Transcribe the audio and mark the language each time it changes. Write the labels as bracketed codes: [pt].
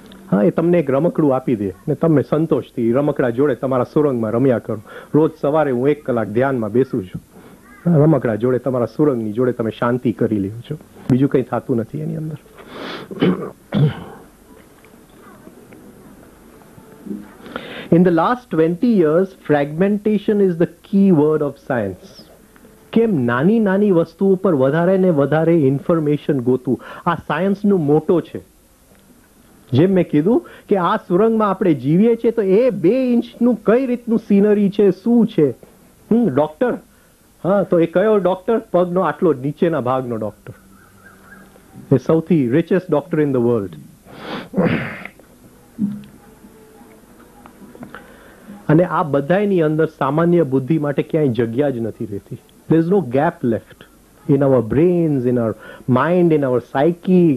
[gu] હા, એ તમને એક રમકડું આપી દે ને તમે સંતોષથી રમકડા જોડે તમારા સુરંગમાં રમ્યા કરો. રોજ સવારે હું 1 કલાક ધ્યાનમાં બેસું છું, રમકડા જોડે તમારા સુરંગની જોડે તમે શાંતિ કરી લ્યો છો, બીજું કંઈ થતું નથી એની અંદર. [en] In the last 20 years, fragmentation is the key word of science. [gu] કેમ નાની નાની વસ્તુઓ પર વધારે ને વધારે ઇન્ફોર્મેશન ગોતવું, આ સાયન્સનું મોટો છે. જેમ મેં કીધું કે આ સુરંગમાં આપણે જીવીએ છીએ, તો એ બે ઇંચનું કઈ રીતનું સીનરી છે, શું છે? ડોક્ટર? હા, તો એ કયો ડોક્ટર? પગનો આટલો નીચેના ભાગનો ડોક્ટર, એ સૌથી [en] Richest doctor in the world. [gu] અને આ બધાની અંદર સામાન્ય બુદ્ધિ માટે ક્યાંય જગ્યા જ નથી રહેતી. [en] There is no gap left in our brains, in our mind, in our psyche.